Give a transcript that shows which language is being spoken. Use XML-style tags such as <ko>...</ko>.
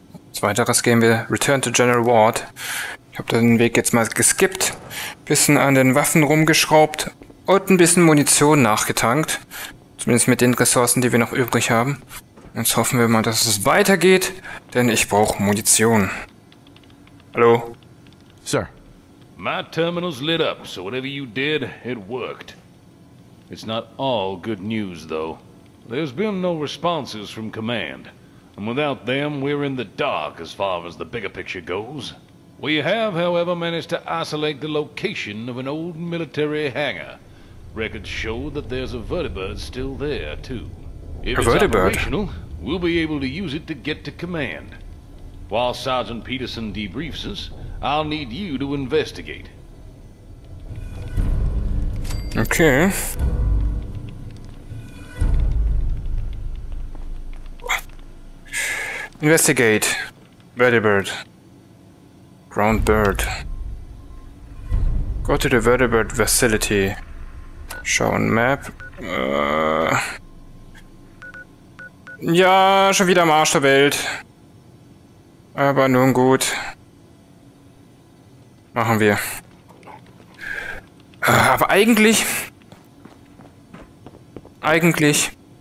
<de>Als weiteres gehen wir Return to General Ward. Ich habe den Weg jetzt mal geskippt. Bisschen an den Waffen rumgeschraubt. Und ein bisschen Munition nachgetankt. Zumindest mit den Ressourcen, die wir noch übrig haben. Jetzt hoffen wir mal, dass es weitergeht. Denn ich brauche Munition. Hallo?</de> <en>Sir. My terminals lit up, so whatever you did, it worked. It's not all good news, though. There's been no responses from command. And without them, we're in the dark as far as the bigger picture goes. We have, however, managed to isolate the location of an old military hangar. Records show that there's a vertibird still there, too. If a vertibird? It's operational, we'll be able to use it to get to command. While Sergeant Peterson debriefs us, I'll need you to investigate. Okay. Investigate. Vertibird. Ground bird. Go to the vertibird facility. Show on map.</en> <de>Ja, schon wieder am Arsch der Welt. Aber nun gut. Machen wir. Aber eigentlich... Eigentlich...</de>